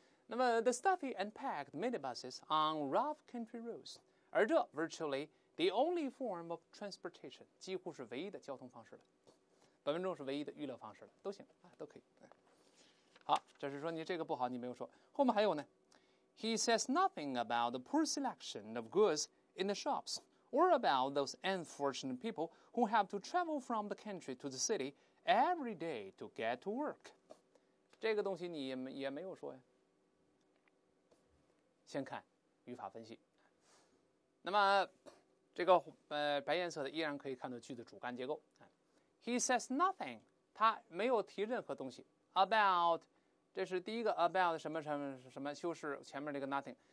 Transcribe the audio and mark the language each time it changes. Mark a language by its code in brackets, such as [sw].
[zh] 那么 [en] the stuffy and packed minibuses on rough country roads， [zh] 而这 [en] virtually the only form of transportation， [zh] 几乎是唯一的交通方式了。本文中是唯一的娱乐方式了，都行啊，都可以。好，这是说你这个不好，你没有说。后面还有呢 [en] ，He says nothing about the poor selection of goods in the shops, or about those unfortunate people who have to travel from the country to the city every day to get to work。 [zh] 这个东西你也没有说呀。先看语法分析。那么，这个白颜色的依然可以看到句子主干结构。 [en] He says nothing， [zh] 他没有提任何东西。About， 这是第一个 about 什么什么什么修饰前面那个 nothing。